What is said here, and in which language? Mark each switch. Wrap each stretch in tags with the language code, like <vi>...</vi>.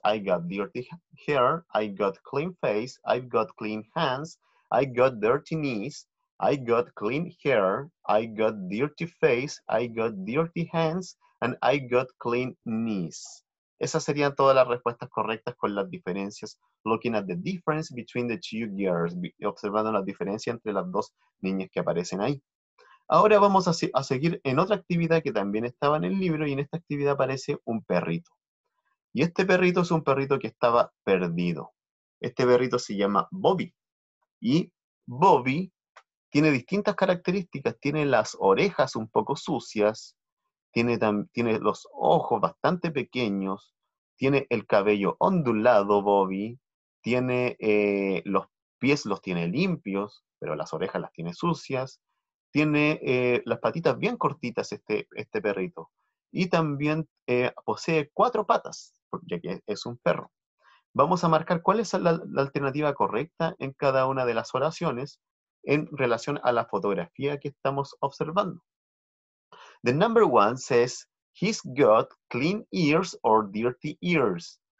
<en>I got dirty hair. I got clean face. I got clean hands. I got dirty knees. I got clean hair. I got dirty face. I got dirty hands. And I got clean knees.</en> <es>Esas serían todas las respuestas correctas con las diferencias.</es> <en>Looking at the difference between the two girls.</en> <es>Observando la diferencia entre las dos niñas que aparecen ahí. Ahora vamos a seguir en otra actividad que también estaba en el libro. Y en esta actividad aparece un perrito. Y este perrito es un perrito que estaba perdido. Este perrito se llama Bobby. Y Bobby tiene distintas características. Tiene las orejas un poco sucias. Tiene los ojos bastante pequeños, tiene el cabello ondulado, Bobby, tiene los pies los tiene limpios, pero las orejas las tiene sucias, tiene las patitas bien cortitas este perrito, y también posee cuatro patas, ya que es un perro. Vamos a marcar cuál es la alternativa correcta en cada una de las oraciones en relación a la fotografía que estamos observando.</es> <en>The number 1 says, he's got clean ears or dirty ears.</en>